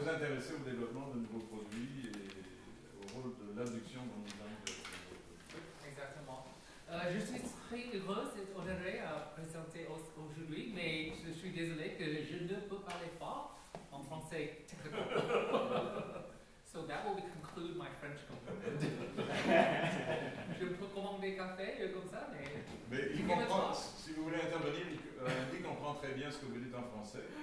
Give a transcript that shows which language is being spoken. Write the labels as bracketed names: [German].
[French] Très intéressé au développement de nouveaux produits et au rôle de l'induction dans le domaine de nouveaux produits. Exactement. Je suis très heureux et honoré à présenter aujourd'hui, mais je suis désolé que je ne peux parler fort en français. [English] So that will conclude my French component. [French] Je peux commander café comme ça, mais. Mais il comprend, si vous voulez intervenir, il comprend très bien ce que vous dites en français.